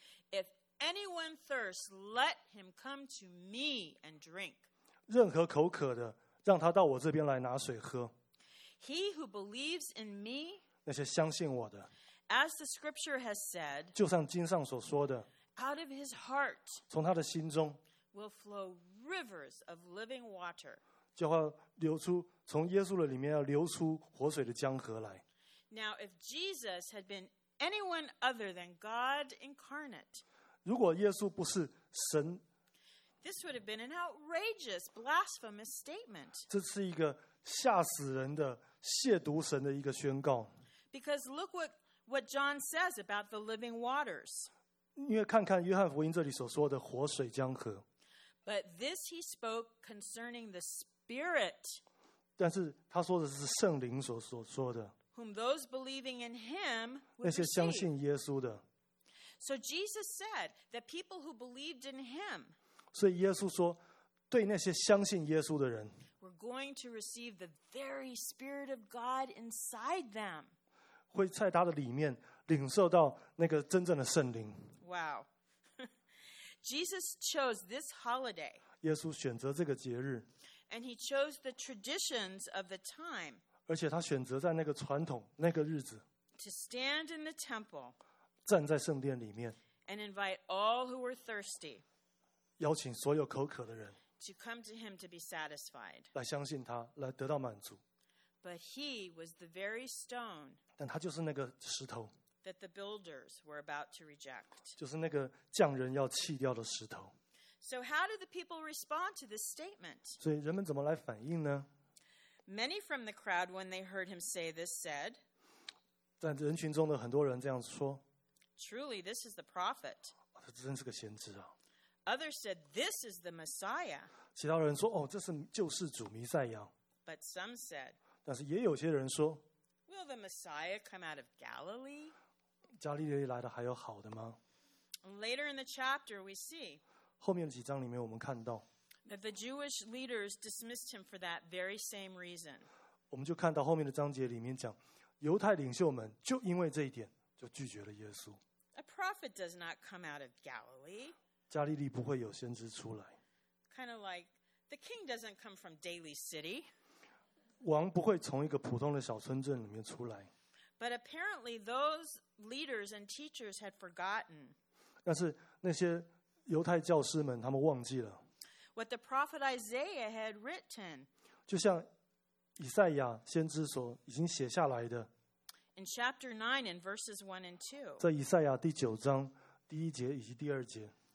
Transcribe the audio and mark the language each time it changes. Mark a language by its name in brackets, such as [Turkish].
[English] If anyone thirsts, let him come to me and drink. [Chinese] 任何口渴的,让他到我这边来拿水喝。 [English] He who believes in me, [Chinese] 那些相信我的, [English] as the scripture has said, [Chinese] 就像经上所说的, [English] out of his heart, [Chinese] 从他的心中, [English] will flow rivers of living water. [Chinese] 就会流出从耶稣的里面要流出活水的江河来。 [English] Now, if Jesus had been anyone other than God incarnate, [Chinese] 如果耶稣不是神, [English] this would have been an outrageous, blasphemous statement. [Chinese] 这是一个吓死人的亵渎神的一个宣告。 [English] Because look what John says about the living waters. [Chinese] 因为看看约翰福音这里所说的活水江河。 [English] But this he spoke concerning the Spirit. [Chinese] 但是他说的是圣灵所说的。 [English] Whom those believing in him would receive. [Chinese] 那些相信耶稣的。 [English] So Jesus said that people who believed in him. [Chinese] 所以耶稣说，对那些相信耶稣的人。 [English] Were going to receive the very Spirit of God inside them. [Chinese] 会在他的里面领受到那个真正的圣灵。 [English] Wow. Jesus chose this holiday. [Chinese] 耶稣选择这个节日。 [English] And he chose the traditions of the time. [Chinese] 而且他选择在那个传统那个日子。 [English] To stand in the temple. [Chinese] 站在圣殿里面。 [English] And invite all who were thirsty. [Chinese] 邀请所有口渴的人。 [English] To come to him to be satisfied. [Chinese] 来相信他，来得到满足。 [English] But he was the very stone. [Chinese] 但他就是那个石头。 [English] That the builders were about to reject. [Chinese] 就是那个匠人要弃掉的石头。 [English] So how did the people respond to this statement? [Chinese] 所以人们怎么来反应呢? [English] Many from the crowd, when they heard him say this, said, [Chinese] 在人群中的很多人这样说, [English] Truly, this is the prophet. [Chinese] 这真是个先知啊。 [English] Others said, this is the Messiah. [Chinese] 其他人说, 哦, 这是救世主弥赛亚。 [English] But some said, [Chinese] 但是也有些人说, [English] Will the Messiah come out of Galilee? [Chinese] 加利利来的还有好的吗? [English] Later in the chapter, we see, [Chinese] 后面几章里面我们看到 [English] that the Jewish leaders dismissed him for that very same reason. [Chinese] 我们就看到后面的章节里面讲犹太领袖们就因为这一点就拒绝了耶稣。 [English] A prophet does not come out of Galilee. [Chinese] 加利利不会有先知出来。 [English] Kind of like the king doesn't come from Daly City. [Chinese] 王不会从一个普通的小村镇里面出来。 [English] But apparently those leaders and teachers had forgotten. [Chinese] 但是那些犹太教师们他们忘记了 [English] what the prophet Isaiah had written, [Chinese] 就像以赛亚先知所已经写下来的 [English] in chapter 9 in verses 1 and 2, [Chinese] 在以赛亚第九章第一节以及第二节